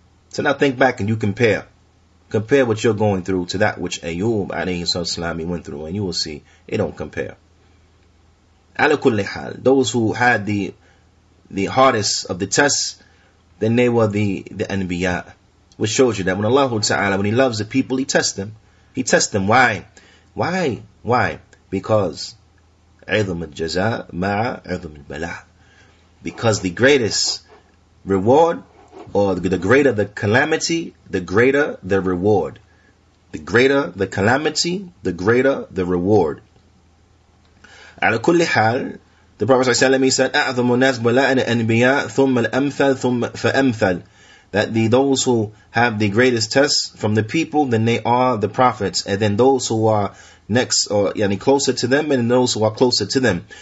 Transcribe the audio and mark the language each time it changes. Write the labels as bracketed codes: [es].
[en] So now think back and you compare. Compare what you're going through to that which Ayyub alayhi salam went through, and you will see it don't compare. Ala kulli hal, those who had the hardest of the tests, then they were the anbiya. Which shows you that when Allah Ta'ala, when He loves the people, He tests them. He tests them. Why? Why? Why? [ar] Because عِظُمُ الْجَزَاءُ مَعَ عِظُمُ الْبَلَاءُ. [en] Because the greatest reward, or the greater the calamity, the greater the reward. The greater the calamity, the greater the reward. [ar] عَلَى كُلِّ حَالٍ, [en] the Prophet ﷺ, he said, [ar] أَعْظُمُ النَّاسِ بَلَاءً الْأَنْبِيَاءُ ثُمَّ الْأَمْثَلُ ثُمَّ فَأَمْثَلُ. [en] That the those who have the greatest tests from the people, then they are the prophets. And then those who are next or yani closer to them, and those who are closer to them.